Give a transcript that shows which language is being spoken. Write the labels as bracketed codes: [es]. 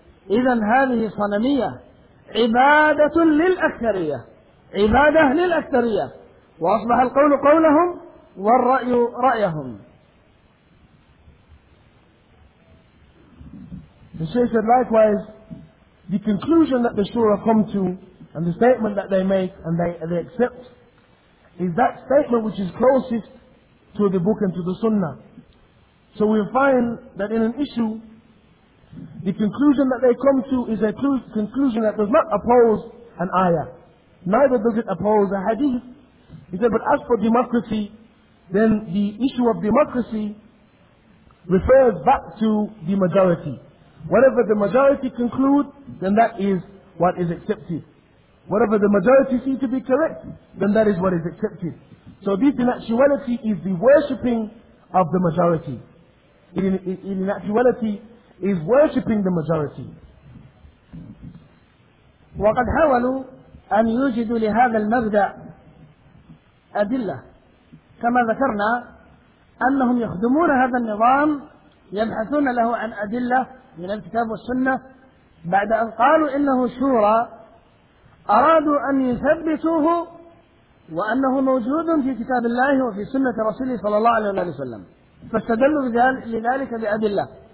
[ar] إذن هذه صنمية، عبادة للأكثرية، عبادة للأكثرية، وأصبح القول قولهم والرأي رأيهم. [en] The Shaykh said, likewise, the conclusion that the Shura come to, and the statement that they make and they accept, is that statement which is closest to the book and to the Sunnah. So we find that in an issue, the conclusion that they come to is a conclusion that does not oppose an ayah, neither does it oppose a hadith. He said, but as for democracy, then the issue of democracy refers back to the majority. Whatever the majority conclude, then that is what is accepted. Whatever the majority see to be correct, then that is what is accepted. So this in actuality is the worshipping of the majority. In actuality is worshipping the majority. [ar] وَقَدْ حَوَلُوا أَنْ يُجِدُوا لِهَذَا الْمَبْدَأَ أَدِلَّةَ كَمَا ذَكَرْنَا أَنَّهُمْ يَخْدُمُونَ هَذَا النِّظَامَ يَبْحَثُونَ لَهُ عَنْ أَدِلَّةَ من الكتاب والسنة، بعد أن قالوا إنه شورى أرادوا أن يثبتوه وأنه موجود في كتاب الله وفي سنة رسوله صلى الله عليه وسلم، فاستدلوا لذلك بأدلة.